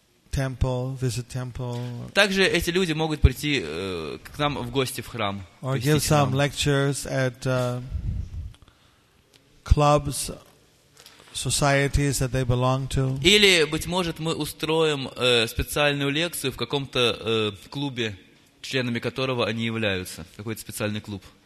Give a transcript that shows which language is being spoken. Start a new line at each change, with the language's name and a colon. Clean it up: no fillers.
Russian: Также эти люди могут прийти к нам в гости в храм.
English: Or give some lectures at clubs, societies that they belong to.
Russian: Или, быть может, мы устроим специальную лекцию в каком-то клубе, членами которого они являются. Какой-то специальный клуб.